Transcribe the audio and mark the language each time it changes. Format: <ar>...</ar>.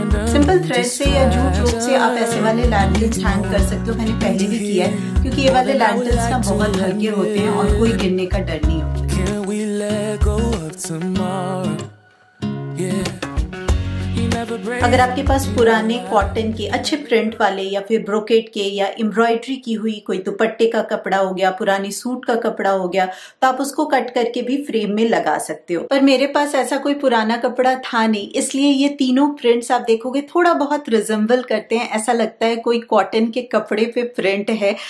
<hi>Simple thread से या jute रोप से आप ऐसे वाले लैंटर्न्स हैंग कर सकते हो. मैंने पहले भी किया है, क्योंकि ये वाले लैंटर्न्स ना बहुत हल्के होते हैं और कोई गिरने का डर नहीं होता.</hi> <en>Can we let go of tomorrow? Yeah. You never</en> <hi>अगर आपके पास पुराने कॉटन के अच्छे प्रिंट वाले या फिर ब्रोकेट के या एम्ब्रॉयडरी की हुई कोई दुपट्टे का कपड़ा हो गया, पुरानी सूट का कपड़ा हो गया, तो आप उसको कट करके भी फ्रेम में लगा सकते हो। पर मेरे पास ऐसा कोई पुराना कपड़ा था नहीं, इसलिए ये तीनों प्रिंट्स आप देखोगे थोड़ा बहुत रिजेंबल करते हैं, ऐसा लगता है कोई कॉटन के कपड़े पे प्रिंट है।</hi>